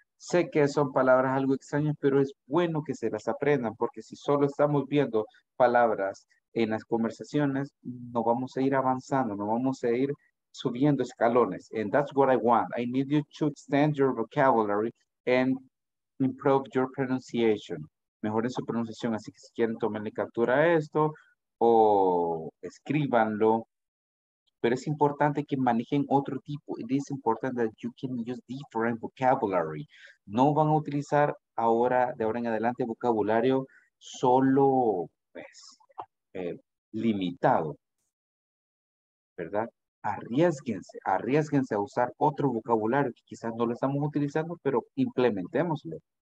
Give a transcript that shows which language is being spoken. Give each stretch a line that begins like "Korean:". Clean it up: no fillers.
Spanish: Sé que son palabras algo extrañas, pero es bueno que se las aprendan, porque si solo estamos viendo palabras en las conversaciones, no vamos a ir avanzando, no vamos a ir subiendo escalones.
English: And that's what I want. I need you to extend your vocabulary and improve your pronunciation.
Spanish: Mejoren su pronunciación, así que si quieren tomenle captura a esto, o escríbanlo, pero es importante que manejen otro tipo.
English: It is important that you can use different vocabulary.
Spanish: No van a utilizar ahora, de ahora en adelante, vocabulario solo, pues, limitado. ¿Verdad? Arriesguense, arriesguense a usar otro vocabulario que quizás no lo estamos utilizando, pero implementémoslo.